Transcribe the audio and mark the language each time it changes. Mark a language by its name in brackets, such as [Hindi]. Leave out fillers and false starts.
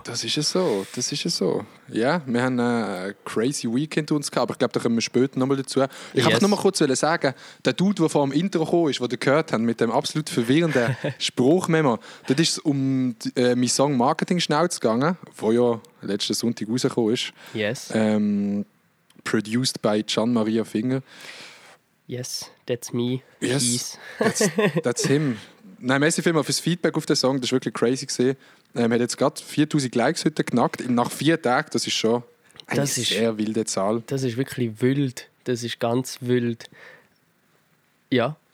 [German] Das ist ja so, das ist ja so. Ja, yeah, wir haben einen crazy Weekend uns gehabt, aber ich glaube, da kommen wir später nochmal dazu. Ich wollte noch mal kurz sagen, der Dude, der vor dem Intro gekommen ist, den ihr gehört habt, mit dem absolut verwirrenden Spruchmemo, dort ist es um mein Song Marketing Schnauze gegangen, der ja letzten Sonntag rausgekommen ist. [English] Yes. Produced by Gianmaria Finger. Yes, that's me. Yes, that's him. [German] Nein, merci vielmals fürs Feedback auf den Song, das war wirklich crazy gewesen. Wir haben jetzt gerade 4'000 Likes heute geknackt, nach 4 Tagen, das ist schon eine das ist, sehr wilde Zahl. Das ist wirklich wild, das ist ganz wild. Ja,